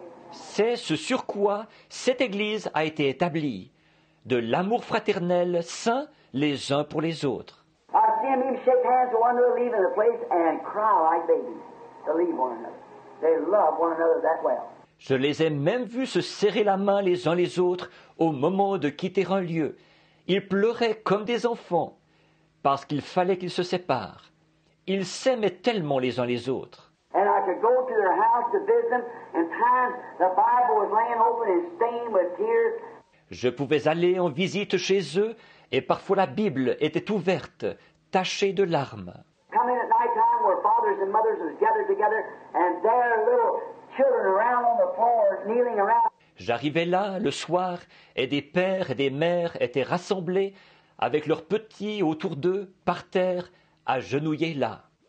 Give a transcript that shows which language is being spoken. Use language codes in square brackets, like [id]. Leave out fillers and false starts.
[fr] C'est ce sur quoi cette Église a été établie, de l'amour fraternel saint les uns pour les autres. [en] I see them even shake hands with one another, leaving the place and cry like babies to leave one another. They love one another that well. [fr] Je les ai même vus se serrer la main les uns les autres au moment de quitter un lieu. Ils pleuraient comme des enfants parce qu'il fallait qu'ils se séparent. Ils s'aimaient tellement les uns les autres. [en] And I could go to their house to visit them, and times the Bible was laying open and stained with tears. [fr] Je pouvais aller en visite chez eux, et parfois la Bible était ouverte, tachée de larmes. [en] Come in at night time where fathers and mothers were gathered together, and their little children around on the floor kneeling around. [fr] J'arrivais là le soir, et des pères et des mères étaient rassemblés, avec leurs petits autour d'eux, par terre, agenouillés là.